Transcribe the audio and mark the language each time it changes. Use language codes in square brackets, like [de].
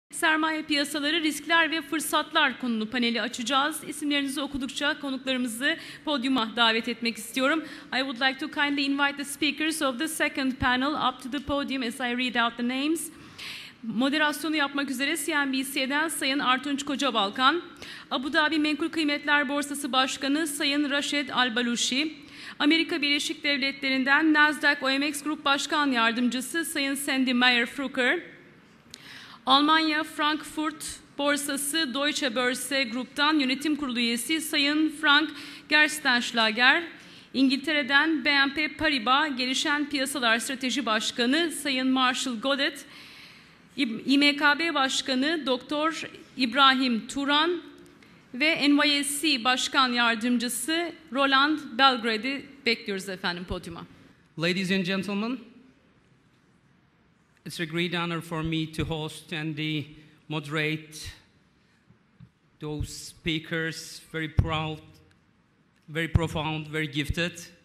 [tr] Sermaye Piyasaları, Riskler ve Fırsatlar konulu paneli açacağız. İsimlerinizi okudukça konuklarımızı podyuma davet etmek istiyorum. [en] I would like to kindly invite the speakers of the second panel up to the podium as I read out the names. [tr] Moderasyonu yapmak üzere CNBC'den Sayın Artunç Kocabalkan, Abu Dhabi Menkul Kıymetler Borsası Başkanı Sayın Raşed Albaluşi, Amerika Birleşik Devletleri'nden Nasdaq OMX Grup Başkan Yardımcısı Sayın Sandy Meyer-Frucker, Almanya Frankfurt Borsası Deutsche Börse Grup'tan Yönetim Kurulu Üyesi Sayın Frank Gerstenschlager, İngiltere'den BNP Paribas Gelişen Piyasalar Strateji Başkanı Sayın Marshall Goddard, İMKB Başkanı Doktor İbrahim Turan ve NYSE Başkan Yardımcısı Roland Belgrade'i bekliyoruz efendim podyuma. [en] Ladies and gentlemen, it's a great honor for me to host and moderate those speakers, very proud, very profound, very gifted.